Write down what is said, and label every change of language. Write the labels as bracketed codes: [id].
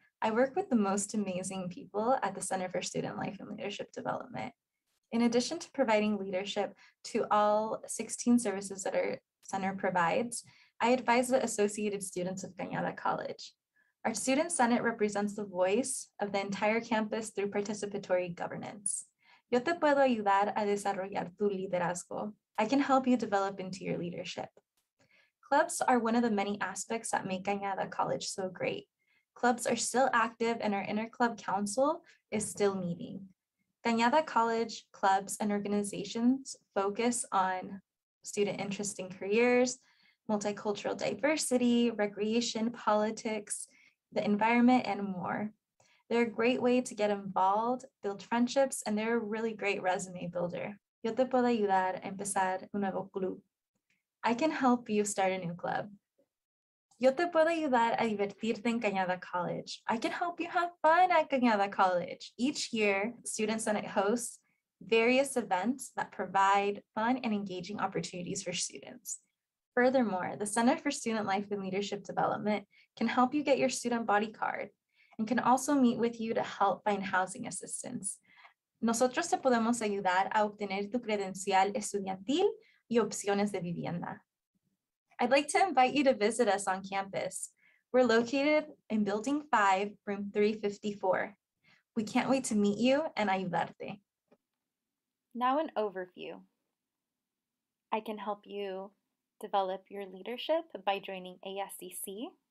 [en] I work with the most amazing people at the Center for Student Life and Leadership Development. In addition to providing leadership to all 16 services that our center provides, I advise the associated students of Cañada College. Our student senate represents the voice of the entire campus through participatory governance. [es] Yo te puedo ayudar a desarrollar tu liderazgo. [en] I can help you develop into your leadership. Clubs are one of the many aspects that make Cañada College so great. Clubs are still active and our inter-club council is still meeting. Cañada College clubs and organizations focus on student interest in careers, multicultural diversity, recreation, politics, the environment, and more. They're a great way to get involved, build friendships, and they're a really great resume builder. [es] Yo te puedo ayudar a empezar un nuevo club. [en] I can help you start a new club. [es] Yo te puedo ayudar a divertirte en Cañada College. [en] I can help you have fun at Cañada College. Each year, Student Senate hosts various events that provide fun and engaging opportunities for students. Furthermore, the Center for Student Life and Leadership Development can help you get your student body card and can also meet with you to help find housing assistance. [es] Nosotros te podemos ayudar a obtener tu credencial estudiantil y opciones de vivienda. [en] I'd like to invite you to visit us on campus. We're located in Building 5, Room 354. We can't wait to meet you and ayudarte. Now an overview. I can help you develop your leadership by joining ASCC.